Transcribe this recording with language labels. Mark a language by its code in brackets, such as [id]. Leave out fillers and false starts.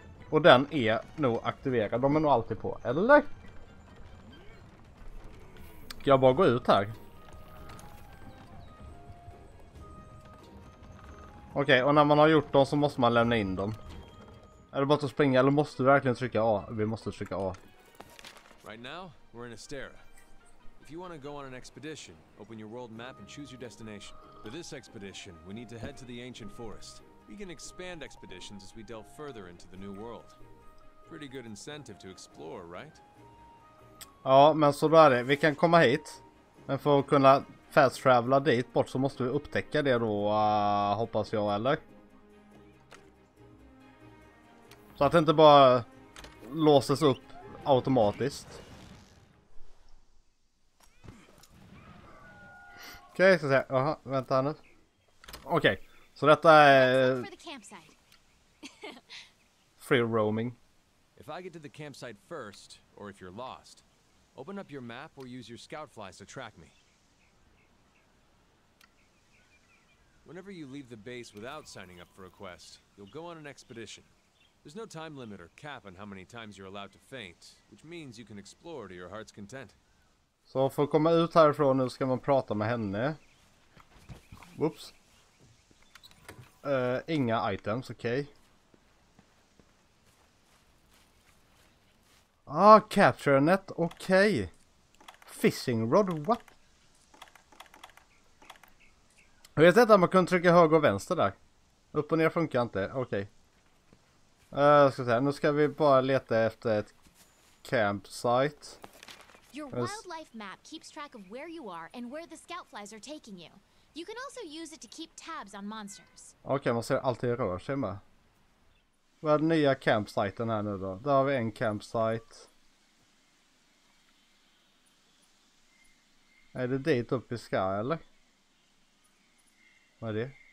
[sv] Och den är nog aktiverad. De är nog alltid på, eller? Ska jag bara gå ut här? Okej, okay, och när man har gjort dem så måste man lämna in dem. Är det bara att springa eller måste du verkligen trycka A? Vi måste trycka A. [en] Right now, we're in Astera. If you want to go on an expedition, open your world map and choose your destination. For this expedition, we need to head to the ancient forest. We can expand expeditions as we delve further into the new world. Pretty good incentive to explore, right? [sv] Ja, men så då är det. Vi kan komma hit. Men för att kunna fast travela dit bort så måste vi upptäcka det då, hoppas jag, eller? Så att det inte bara låses upp automatiskt. Okej, okay, ska se. Jaha, vänta här nu. Okej, okay, så detta är... [en] free roaming. If I get to the campsite first, or if you're lost, open up your map or use your scout flies to track me. Whenever you leave the base without signing up for a quest, you'll go on an expedition. There's no time limit or cap on how many times you're allowed to faint, which means you can explore to your heart's content. [sv] Så för att komma ut härifrån nu ska man prata med henne. [en] Whoops. [sv] Inga items, okej. [en] Okay. Ah, capture net, okej. Okay. Fishing rod, what? [sv] Jag vet inte om man kunde trycka höger och vänster där. Upp och ner funkar inte, okej. Okay. Ska säga, nu ska vi bara leta efter ett campsite. [en] Your wildlife map keeps track of where you are and where the scout flies are taking you. You can also use it to keep tabs on monsters. [sv] Okej, man ser alltid rör sig med. Vad är den nya campsiten här nu då? Där har vi en campsite. Är det dit upp i ska eller? Vad är det?